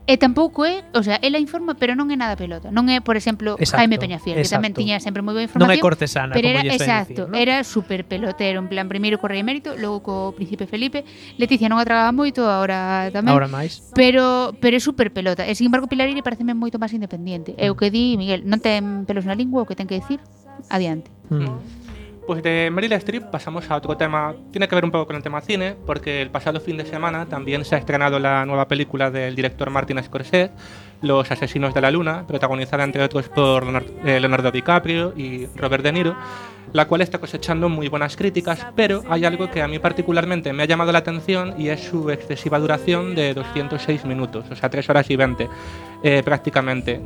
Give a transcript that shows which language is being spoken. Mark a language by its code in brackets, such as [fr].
[gl] E tampouco é, o sea, ela informa, pero non é nada pelota. Non é, por exemplo, exacto, Jaime Peñafiel, exacto, que tamén tiña sempre moi boa información. Non é cortesana, pero como lle sen dicir, ¿no? Era super pelotero, en plan, primeiro co Rei Emérito, logo co Príncipe Felipe. Leticia non atragaba moito, agora tamén. Agora máis. Pero é super pelota. E sin embargo, Pilar Iri pareceme moito máis independiente. É o que di Miguel, non ten pelos na lingua, o que ten que dicir, adiante. [es] Pues de Meryl Streep pasamos a otro tema, tiene que ver un poco con el tema cine, porque el pasado fin de semana también se ha estrenado la nueva película del director Martin Scorsese, Los asesinos de la luna, protagonizada entre otros por Leonardo DiCaprio y Robert De Niro, la cual está cosechando muy buenas críticas, pero hay algo que a mí particularmente me ha llamado la atención y es su excesiva duración de 206 minutos, o sea, 3 horas y 20 prácticamente.